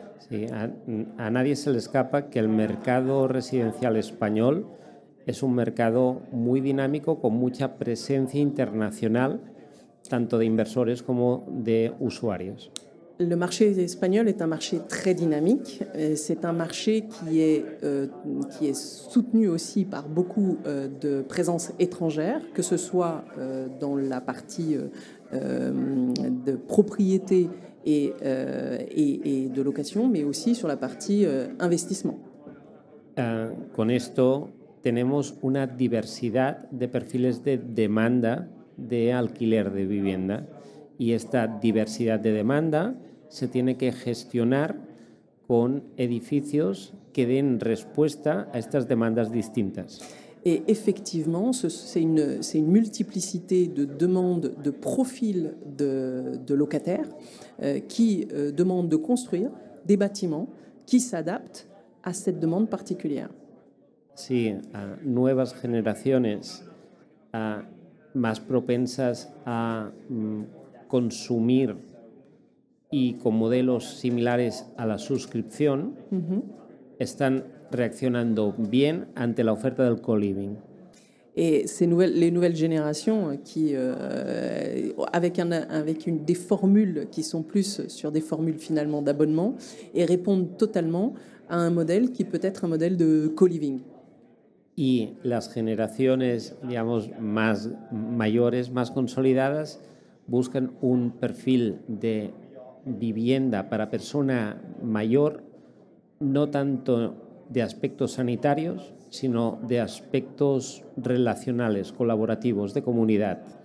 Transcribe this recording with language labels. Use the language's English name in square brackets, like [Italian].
[Spanish] Sí, a nadie se le escapa que el mercado residencial español es un mercado muy dinámico con mucha presencia internacional, tanto de inversores como de usuarios. [French] Le marché espagnol est un marché très dynamique. C'est un marché qui est soutenu aussi par beaucoup de présence étrangère, que ce soit dans la partie de propriété et de location, mais aussi sur la partie investissement. [Spanish] Con esto tenemos una diversidad de perfiles de demanda de alquiler de vivienda, y esta diversidad de demanda se tiene que gestionar con edificios que den respuesta a estas demandas distintas. [French] Et effectivement, c'est une multiplicité de demandes de profils de locataires qui demandent de construire des bâtiments qui s'adaptent à cette demande particulière. [Spanish] Sí, a nuevas generaciones más propensas a consumir y con modelos similares a la suscripción, uh-huh, están reaccionando bien ante la oferta del co-living. [French] Et ces nouvelles générations qui avec des formules qui sont plus sur des formules finalement d'abonnement et répondent totalement à un modèle qui peut être un modèle de co-living. [Spanish] Y las generaciones, digamos, más mayores, más consolidadas, buscan un perfil de vivienda para persona mayor, no tanto de aspectos sanitarios, sino de aspectos relacionales, colaborativos, de comunidad.